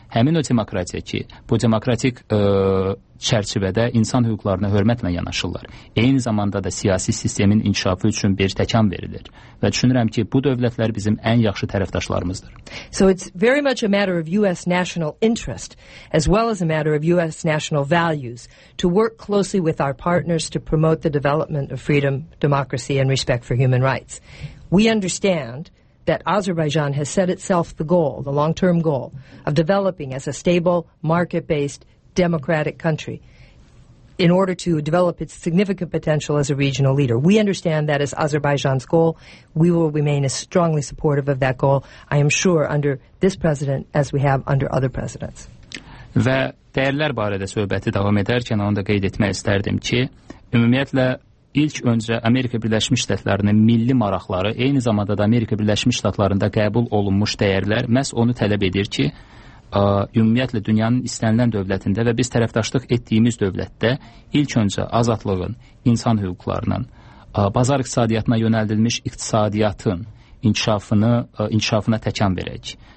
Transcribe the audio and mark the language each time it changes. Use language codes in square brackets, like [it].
[az] Həmin o demokratiya ki, bu demokratik çərçivədə insan hüquqlarına hörmətlə yanaşırlar. Eyni zamanda da siyasi sistemin inkişafı üçün bir təkan verilir. Və düşünürəm ki, bu dövlətlər bizim ən yaxşı tərəfdaşlarımızdır. [en] So it's very much a matter of US national interest as well as a matter of US national values to work closely with our partners to promote the development of freedom, democracy and respect for human rights. We understand that Azerbaijan has set itself the goal, the long-term goal, of developing as a stable, market-based, democratic country in order to develop its significant potential as a regional leader. We understand that is Azerbaijan's goal. We will remain as strongly supportive of that goal, I am sure, under this president as we have under other presidents. [az] Və dəyərlər barədə söhbəti davam edərkən onu da qeyd etmək istərdim ki, ümumiyyətlə, İlk öncə Amerika Birləşmiş Ştatlarının milli maraqları, eyni zamanda da Amerika Birləşmiş Ştatlarında qəbul olunmuş dəyərlər məhz onu tələb edir ki, ümumiyyətlə dünyanın istənilən dövlətində və biz tərəfdaşlıq etdiyimiz dövlətdə ilk öncə azadlığın, insan hüquqlarının, bazar iqtisadiyyatına yönəldilmiş iqtisadiyyatın inkişafına təkan verək.